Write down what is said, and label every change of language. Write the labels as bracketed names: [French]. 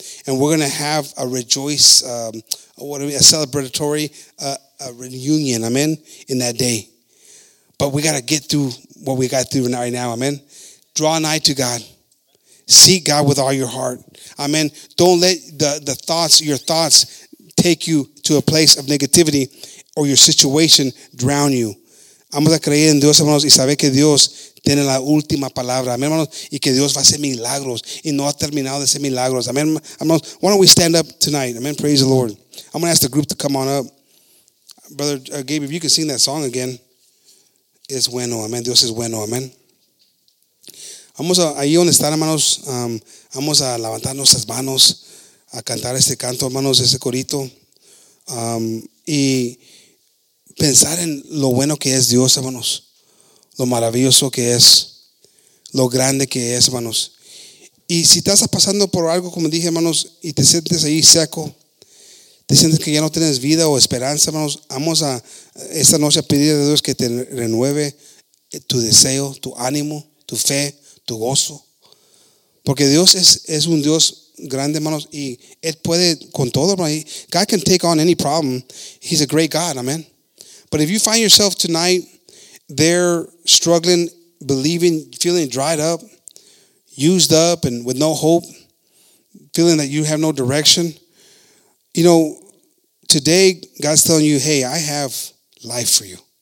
[English] And we're going to have a rejoice, a celebratory a reunion. Amen. In that day. But we got to get through what we got through right now. Amen. Draw nigh to God. Seek God with all your heart. Amen. Don't let the thoughts, your thoughts, take you to a place of negativity or your situation drown you. [Spanish] Vamos a creer en Dios, hermanos, y saber que Dios tiene la última palabra. Amen, hermanos, y que Dios va a hacer milagros y no ha terminado de hacer milagros. [English] Amen, hermanos. Why don't we stand up tonight? Amen. Praise the Lord. I'm going to ask the group to come on up. Brother Gabe, if you can sing that song again. [Spanish] Es bueno, amen. Dios es bueno, amen. Vamos a, ahí donde están, hermanos, vamos a levantar nuestras manos a cantar este canto, hermanos, ese corito. Y pensar en lo bueno que es Dios, hermanos. Lo maravilloso que es. Lo grande que es, hermanos. Y si estás pasando por algo, como dije, hermanos, y te sientes ahí seco, te sientes que ya no tienes vida o esperanza, hermanos, vamos a esta noche a pedir a Dios que te renueve tu deseo, tu ánimo, tu fe, tu gozo. Porque Dios es un Dios grande, hermanos, y Él puede con todo, hermanos. [English] God can take on any problem. He's a great God, amen. But if you find yourself tonight there struggling, believing, feeling dried up, used up, and with no hope, feeling that you have no direction, you know, today God's telling you, hey, I have life for you.